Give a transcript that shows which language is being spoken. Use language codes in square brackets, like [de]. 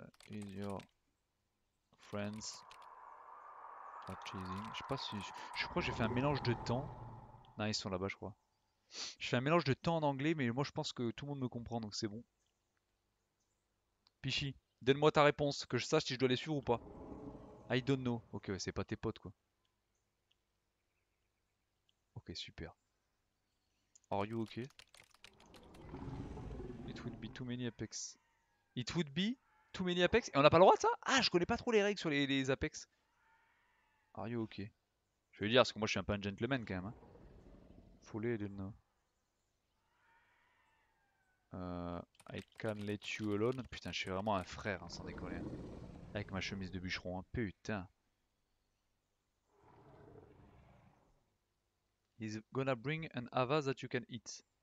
[en] Is your friends are chasing. [fr] Je sais pas si. Je crois que j'ai fait un mélange de temps. Non, ils sont là-bas, je crois. Je fais un mélange de temps en anglais, mais moi je pense que tout le monde me comprend, donc c'est bon. Pichi, donne-moi ta réponse, que je sache si je dois les suivre ou pas. [en] I don't know. [fr] Ok, ouais, c'est pas tes potes, quoi. [en] Ok, super. Are you ok? It would be too many Apex. It would be too many Apex? [fr] Et on n'a pas le droit de ça? Ah, je connais pas trop les règles sur les Apex. [en] Are you ok? [fr] Je veux dire, parce que moi je suis un peu un gentleman quand même, hein. Foulé, [en] I don't know. I can't let you alone. [fr] Putain, je suis vraiment un frère, hein, sans déconner. Hein. Avec ma chemise de bûcheron, hein. Putain. [en] He's gonna bring an Ava that you can eat.